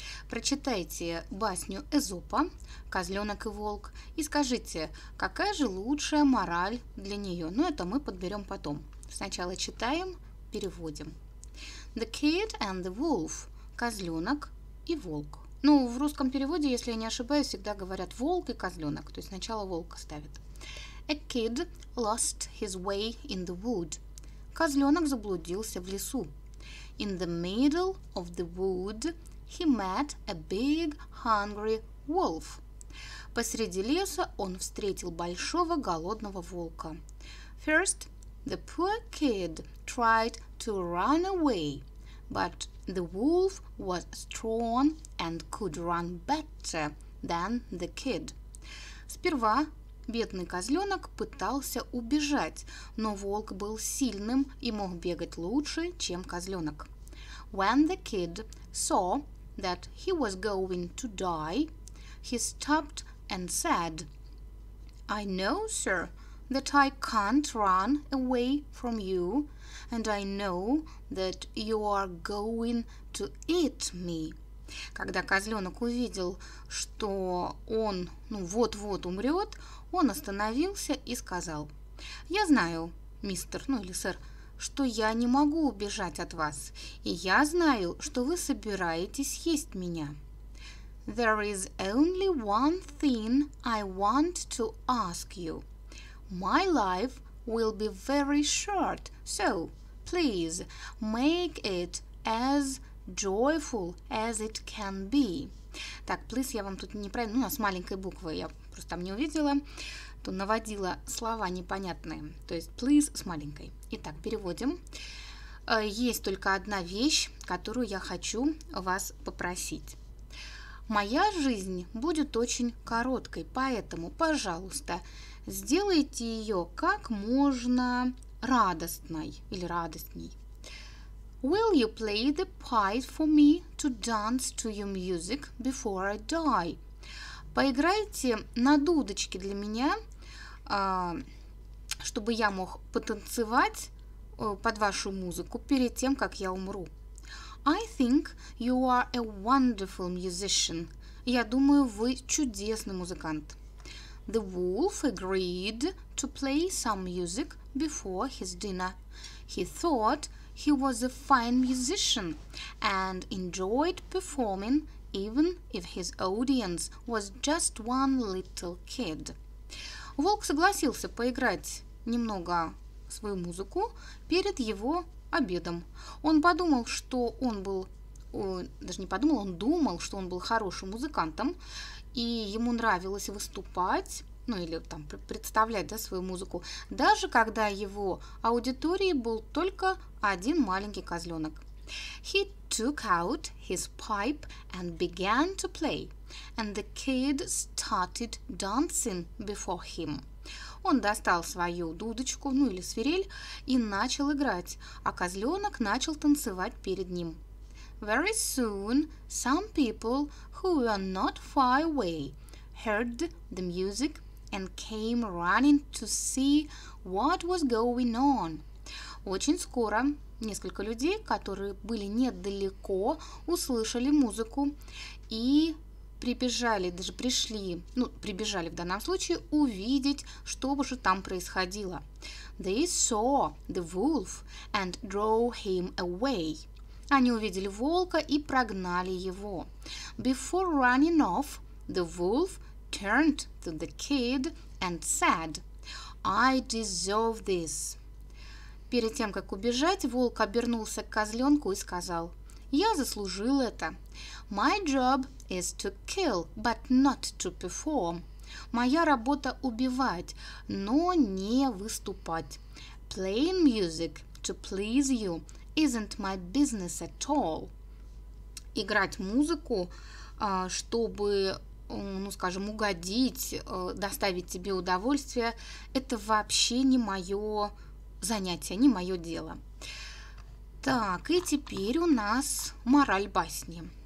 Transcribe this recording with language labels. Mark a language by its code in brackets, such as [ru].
[ru] Прочитайте басню Эзопа «Козленок и волк» и скажите, какая же лучшая мораль для нее. Но это мы подберем потом. Сначала читаем, переводим. [en] The Kid and the Wolf – [ru] «Козленок и волк». Ну, в русском переводе, если я не ошибаюсь, всегда говорят «волк» и «козленок», то есть сначала «волка» ставят. [en] A kid lost his way in the wood. [ru] Козленок заблудился в лесу. [en] In the middle of the wood he met a big hungry wolf. [ru] Посреди леса он встретил большого голодного волка. [en] First, the poor kid tried to run away, but the wolf was strong and could run better than the kid. [ru] Сперва бедный козленок пытался убежать, но волк был сильным и мог бегать лучше, чем козленок. [en] When the kid saw that he was going to die, he stopped and said, I know, sir, that I can't run away from you, and I know that you are going to eat me. [ru] Когда козленок увидел, что он вот-вот умрет, он остановился и сказал, «Я знаю, мистер, или сэр, что я не могу убежать от вас, и я знаю, что вы собираетесь есть меня». [en] «There is only one thing I want to ask you. My life will be very short, so please make it as joyful as it can be». [ru] Так, please, я вам тут неправильно, с маленькой буквы я просто там не увидела, то наводила слова непонятные, то есть please с маленькой. Итак, переводим. Есть только одна вещь, которую я хочу вас попросить. Моя жизнь будет очень короткой, поэтому, пожалуйста, сделайте ее как можно радостной или радостней. [en] Will you play the pipe for me to dance to your music before I die? [ru] Поиграйте на дудочке для меня, чтобы я мог потанцевать под вашу музыку перед тем, как я умру. [en] I think you are a wonderful musician. [ru] Я думаю, вы чудесный музыкант. [en] The wolf agreed to play some music before his dinner. He thought he was a fine musician and enjoyed performing even if his audience was just one little kid. [ru] Волк согласился поиграть немного свою музыку перед его обедом. Он подумал, что он был, он думал, что он был хорошим музыкантом, и ему нравилось выступать, представлять, свою музыку, даже когда его аудитории был только один маленький козленок. [en] He took out his pipe and began to play, and the kid started dancing before him. [ru] Он достал свою дудочку, свирель, и начал играть, а козленок начал танцевать перед ним. [en] Very soon some people who were not far away heard the music and came running to see what was going on. [ru] Очень скоро несколько людей, которые были недалеко, услышали музыку и прибежали в данном случае увидеть, что же там происходило. [en] They saw the wolf and drove him away. [ru] Они увидели волка и прогнали его. [en] Before running off, the wolf turned to the kid and said, I deserve this. [ru] Перед тем, как убежать, волк обернулся к козленку и сказал, я заслужил это. [en] My job is to kill, but not to perform. [ru] Моя работа убивать, но не выступать. [en] Playing music to please you isn't my business at all. [ru] Играть музыку, чтобы угодить, доставить тебе удовольствие, это вообще не мое занятие, не мое дело. Так, и теперь у нас мораль басни.